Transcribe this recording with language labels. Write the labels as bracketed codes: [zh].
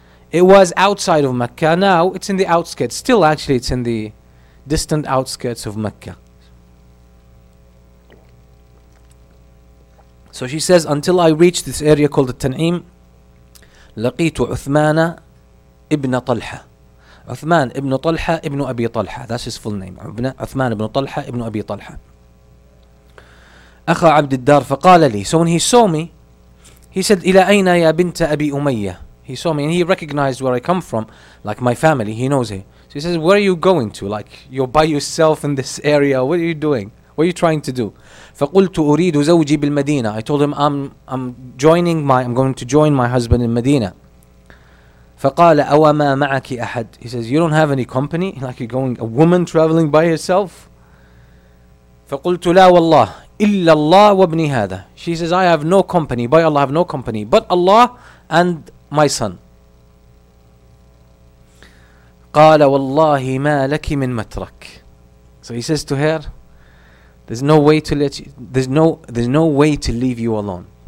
[en] It was outside of Mecca, now it's in the outskirts. Still, actually, it's in the distant outskirts of Mecca. So she says, until I reached this area called the Tan'im, [ar] لقيت عثمان ابن طلحة. عثمان ابن طلحة ابن أبي طلحة. [en] That's his full name. [ar] عثمان ابن طلحة ابن أبي طلحة. أخا عبد الدار فقال لي. [en] So when he saw me, he said, [ar] إلى أين يا بنت أبي أمية. [en] He saw me and he recognized where I come from, like my family, he knows it. So he says, where are you going to? Like, you're by yourself in this area, what are you doing? What are you trying to do? [ar] فقلت أريد زوجي بالمدينة. [en] I told him, I'm going to join my husband in Medina. [ar] فقال أو ما معك أحد. [en] He says, you don't have any company? Like you're going, a woman traveling by yourself? [ar] فقلت لا والله إلا الله وابني هذا. [en] She says, I have no company, by Allah I have no company, but Allah and my son. [ar] قال والله ما لك من مترك. [en] So he says to her, there's no way to leave you alone.